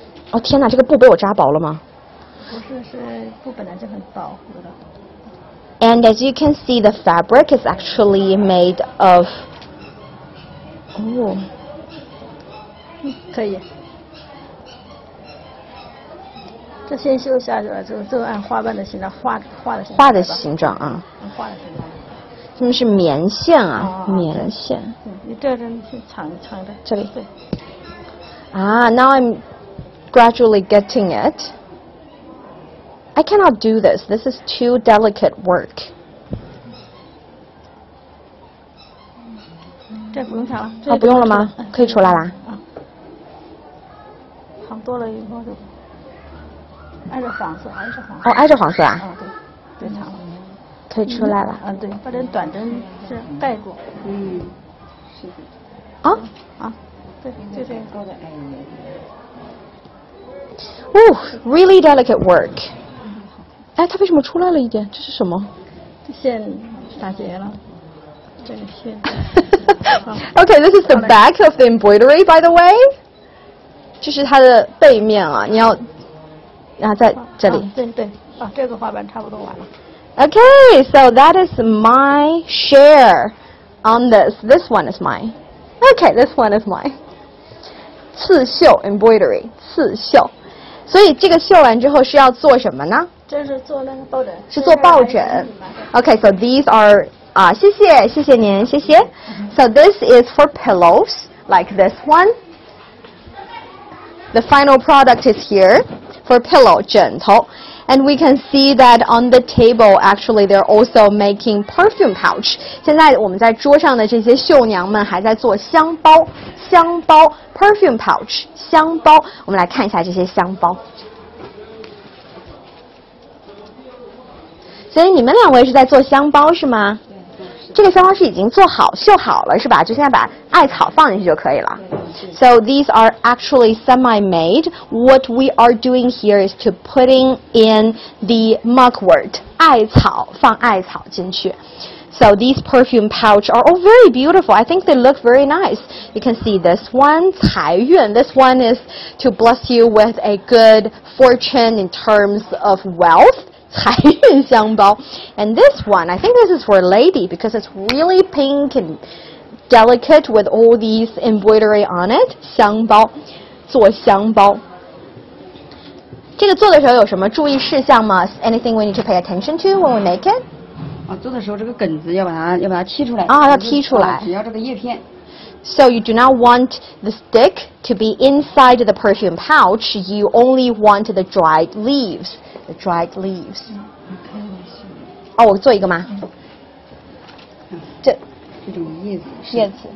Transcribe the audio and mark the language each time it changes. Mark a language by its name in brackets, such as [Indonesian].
[Chinese] 哦天哪这个布被我扎薄了吗不是是布本来就很薄的 [English] And as you can see the fabric is actually made of 哦 [Chinese] 可以这先绣下去了就按花瓣的形状画的形状啊画的形状他们是棉线啊、哦、棉线你这针是长的这里对 [English] 啊、now I'm gradually getting it I cannot do this is too delicate work [Chinese] 这不用长了好、哦、不用了吗可以出来啦、啊、长多了以后就挨着黄色挨着黄色啊、哦、对长了可以出来了。嗯，对，把这短针是盖住。嗯，是的。啊？啊？对，就这样。 [English] 哦 ，really delicate work。 [Chinese] 哎，它为什么出来了一点？这是什么？线打结了。这个线。 [English] OK, this is the back of the embroidery, by the way. [Chinese] 这是它的背面啊，你要，然后在这里。啊、对对，啊，这个花瓣差不多完了。 [English] Okay, so that is my share on this. This one is mine. Okay, this one is mine. 刺绣 embroidery, 刺绣. [Chinese] 所以这个绣完之后是要做什么呢？这是做那个抱枕。是做抱枕。 [English] Okay, so these are, [Chinese] 啊，谢谢，谢谢您，谢谢。 [English] So this is for pillows, like this one. The final product is here for pillow, 枕头。 And we can see that on the table, actually, they're also making perfume pouch. [Chinese] 现在我们在桌上的这些绣娘们还在做香包，香包 [English] perfume pouch, [Chinese] 香包。我们来看一下这些香包。所以你们两位是在做香包是吗？这个香包是已经做好绣好了是吧？就现在把艾草放进去就可以了。 [English] So these are actually semi-made. What we are doing here is to putting in the mugwort, 艾草， [Chinese] 放艾草进去。 [English] So these perfume pouch are all very beautiful. I think they look very nice. You can see this one, 财运.This one is to bless you with a good fortune in terms of wealth, 财运香包. And this one, I think this is for a lady because it's really pink and... delicate with all these embroidery on it, 香包， [Chinese] 做香包。这个做的时候有什么注意事项吗？ [English] Anything we need to pay attention to when we make it? [Chinese] 啊，做的时候这个梗子要把它剔出来。啊，要剔出来。只要这个叶片。 [English] So you do not want the stick to be inside the perfume pouch. You only want the dried leaves. The dried leaves. [Chinese] 哦，我做一个吗？叶子，